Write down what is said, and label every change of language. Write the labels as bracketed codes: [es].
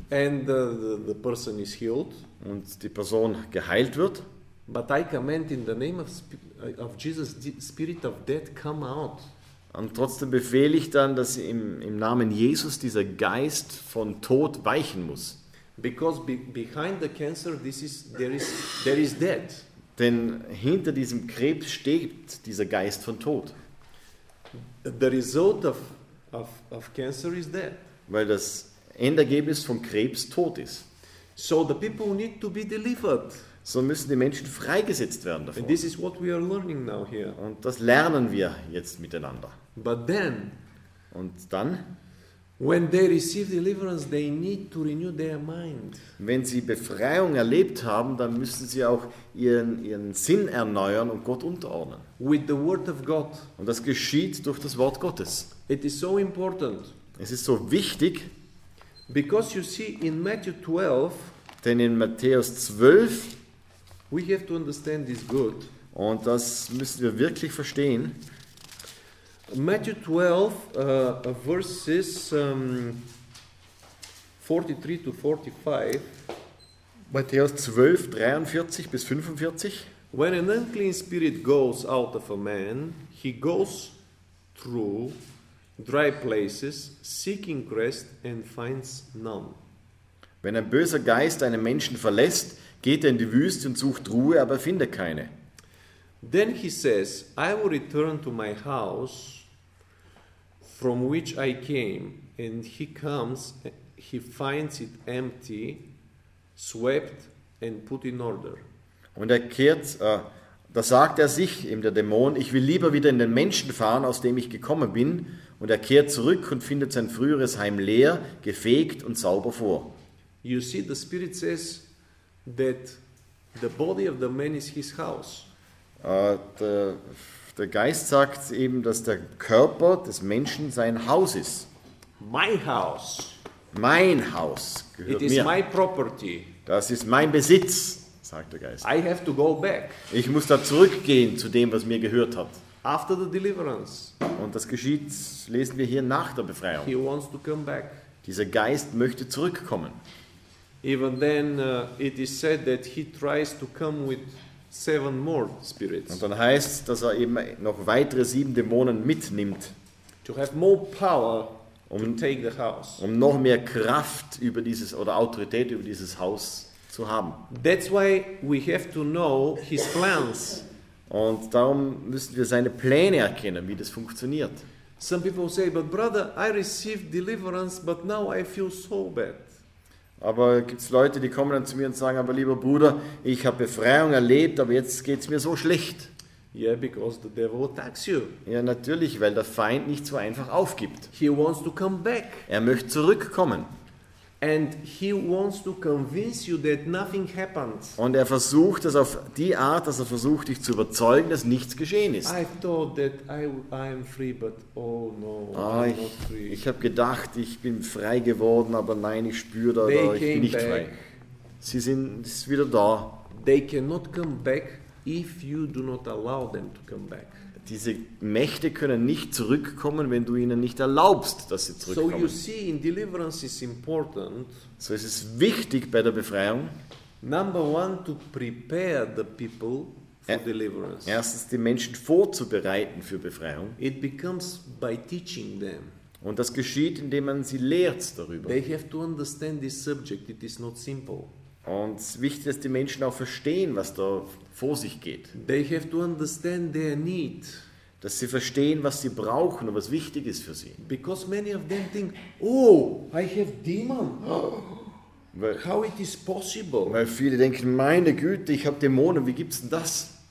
[en] And the person is healed. [de] Und die Person geheilt wird. [en] But I command in the name of Jesus, the spirit of death, come out. [de] Und trotzdem befehle ich dann, dass im Namen Jesus dieser Geist von Tod weichen muss. [en] Because behind the cancer, there is death. [de] Denn hinter diesem Krebs steht dieser Geist von Tod. [en] The result of cancer is death. [de] Weil das Endergebnis von Krebs Tod ist. [en] So the people need to be delivered. [de] So müssen die Menschen freigesetzt werden davon. [en] And this is what we are learning now here. [de] Und das lernen wir jetzt miteinander. [en] But then, [de] und dann, [en] when they receive deliverance, they need to renew their mind. [de] Wenn sie Befreiung erlebt haben, dann müssen sie auch ihren Sinn erneuern und Gott unterordnen. [en] With the word of God. [de] Und das geschieht durch das Wort Gottes. [en] It is so important. [de] Es ist so wichtig. [en] Because you see, in Matthew 12, [de] denn in Matthäus 12, [en] we have to understand this good. [de] Und das müssen wir wirklich verstehen. [en] Matthew 12, verses 43 to 45. [de] Matthäus 12, 43 bis 45. [en] When an unclean spirit goes out of a man, he goes through dry places, seeking rest and finds none. [de] Wenn ein böser Geist einen Menschen verlässt, geht er in die Wüste und sucht Ruhe, aber findet keine. [en] Then he says, I will return to my house, from which I came, and he comes, he finds it empty, swept and put in order. [de] Und er kehrt, da sagt er sich, eben der Dämon, ich will lieber wieder in den Menschen fahren, aus dem ich gekommen bin, und er kehrt zurück und findet sein früheres Heim leer, gefegt und sauber vor. [en] You see, the Spirit says that the body of the man is his house. [de] Der Geist sagt eben, dass der Körper des Menschen sein Haus ist. [en] My house. [de] Mein Haus gehört [en] It is [de] mir. [en] My property. [de] Das ist mein Besitz, sagt der Geist. [en] I have to go back. [de] Ich muss da zurückgehen zu dem, was mir gehört hat. [en] After the deliverance. [de] Und das geschieht, lesen wir hier, nach der Befreiung. [en] He wants to come back. [de] Dieser Geist möchte zurückkommen. [en] Even then it is said that he tries to come with 7 more spirits. [de] Und dann heißt, dass er eben noch weitere 7 Dämonen mitnimmt. [en] To have more power to take the house. [de] Um noch mehr Kraft über dieses oder Autorität über dieses Haus zu haben. [en] That's why we have to know his plans. [de] Und darum müssen wir seine Pläne erkennen, wie das funktioniert. [en] Some people say, but brother, I received deliverance, but now I feel so bad. [de] Aber gibt es Leute, die kommen dann zu mir und sagen, aber lieber Bruder, ich habe Befreiung erlebt, aber jetzt geht es mir so schlecht. [en] Yeah, because the devil attacks you. [de] Ja, natürlich, weil der Feind nicht so einfach aufgibt. [en] He wants to come back. [de] Er möchte zurückkommen. [en] And he wants to convince you that nothing happened. [de] Und er versucht es auf die Art, dass er versucht, dich zu überzeugen, dass nichts geschehen ist. [en] I thought that I am free, but oh no, I'm not free. [de] Ich habe gedacht, ich bin frei geworden, aber nein, ich spüre da, ich bin nicht [en] back. [de] Frei. Sie sind wieder da. [en] They cannot come back if you do not allow them to come back. [de] Diese Mächte können nicht zurückkommen, wenn du ihnen nicht erlaubst, dass sie zurückkommen. [en] So you see, in deliverance is important. [de] So es ist wichtig bei der Befreiung. [en] Number one, to prepare the people for deliverance. [de] Erstens, die Menschen vorzubereiten für Befreiung. [en] It becomes by teaching them. [de] Und das geschieht, indem man sie lehrt darüber. [en] They have to understand this subject. It is not simple. [de] Und es ist wichtig, dass die Menschen auch verstehen, was da vor sich geht. [en] They have to understand their need. [de] Dass sie verstehen, was sie brauchen und was wichtig ist für sie. [en] Because many of them think, oh, I have demon. How it is possible? [de] Weil viele denken, meine Güte, ich habe Dämonen, wie gibt's denn das?